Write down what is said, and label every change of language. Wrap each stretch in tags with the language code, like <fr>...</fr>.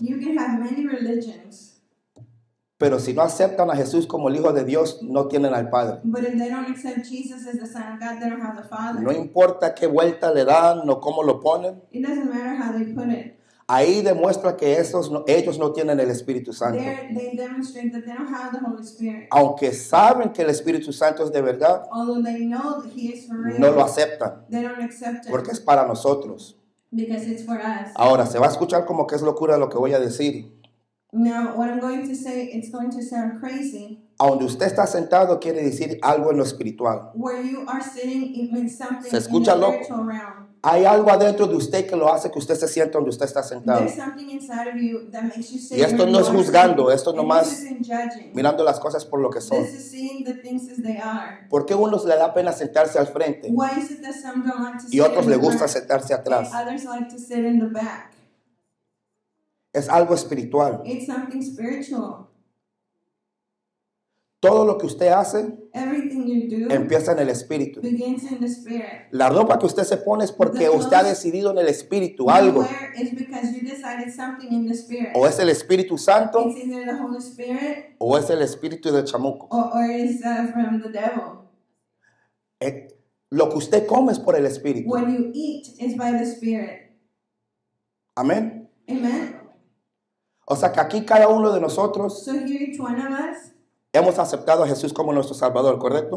<en>you can have many religions,</en> <es>pero si no aceptan a Jesús como el Hijo de Dios, no tienen al Padre.</es> <en>But if they don't accept Jesus as the Son of God, they don't have the Father.</en> <es>No importa qué vuelta le dan o cómo lo ponen.</es> <en>It doesn't matter how they put it.</en> <es>Ahí demuestra que ellos no tienen el Espíritu Santo.</es> <en>They demonstrate that they don't have the Holy Spirit.</en> <es>Aunque saben que el Espíritu Santo es de verdad,</es> <en>although they know that he is for real,</en> <es>no lo aceptan.</es> <en>They don't accept it.</en> <es>Porque es para nosotros.</es> <en>Because it's for us.</en> <es>Ahora, se va a escuchar como que es locura lo que voy a decir.</es> <en>Now, what I'm going to say, it's going to sound crazy.</en> <es>A donde usted está sentado quiere decir algo en lo espiritual.</es> <en>Where you are sitting, it means something</en> <es>¿Se escucha</es> <en>in the</en> <es>loco?</es> <en>Spiritual realm.</en> <es>Hay algo adentro de usted que lo hace que usted se sienta donde usted está sentado.</es> <en>There's something inside of you that makes you sit.</en> <es>Y esto no es juzgando, esto nomás</es> <en>this isn't judging.</en> <es>Mirando las cosas por lo que son.</es> <en>This is seeing the things as they are.</en> <es>¿Por qué a unos le da pena sentarse al frente?</es> <en>Why is it that some don't want to</en> <es>y otros le gusta sentarse atrás?</es> <en>Others like to sit in the back.</en> <es>Es algo espiritual.</es> <en>It's something spiritual.</en> <es>Todo lo que usted hace</es> <en>everything you do</en> <es>empieza en el Espíritu.</es> <en>Begins in the Spirit.</en> <es>La ropa que usted se pone es porque usted ha decidido en el Espíritu algo.</es> <en>You wear is because you decided something in the Spirit.</en> <es>O es el Espíritu Santo.</es> <en>It's either the Holy Spirit,</en> <es>o es el Espíritu del chamuco.</es> <en>Or is from the devil.</en> <es>Lo que usted come es por el Espíritu.</es> <en>What you eat is by the Spirit.</en> <es>Amén.</es> <en>Amen.</en> <es>O sea que aquí cada uno de nosotros</es> <en>so here each one of us</en> <es>hemos aceptado a Jesús como nuestro Salvador, ¿correcto?</es>